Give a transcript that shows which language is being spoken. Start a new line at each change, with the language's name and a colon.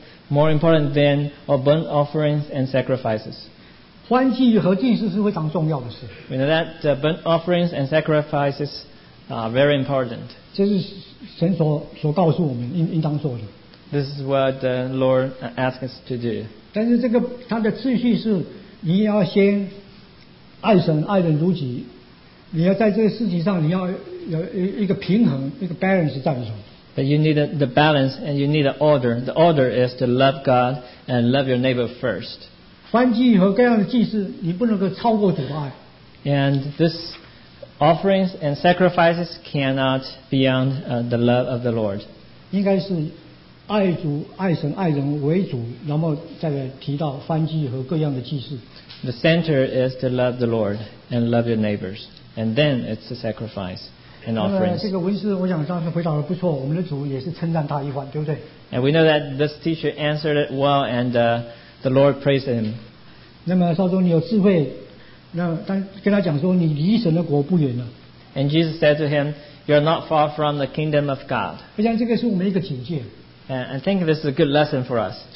English: More important than all burnt offerings and sacrifices. We know that burnt offerings and sacrifices are very important. This is what the Lord asks us to do. But this is the order of God.
Chinese: 你要先爱神爱人如己你要在这个事情上你要有一个平衡一个 balance 在里头
English: But you need the balance and you need the order the order is to love God and love your neighbor first
Chinese: 燔祭和各样的祭祀你不能够超过主的爱
English: and this offerings and sacrifices cannot beyond the love of the Lord
Chinese: 应该是爱主爱神爱人为主然后再来提到燔祭和各样的祭祀
English: The center is to love the Lord and love your neighbors. And then it's a sacrifice and offerings. And we know that this teacher answered it well, and the Lord praised him.
Chinese: 那么少宗你有智慧, 那跟他讲说你离神的国不远了。
English: And Jesus said to him, you are not far from the kingdom of God. And I think this is a good lesson for us.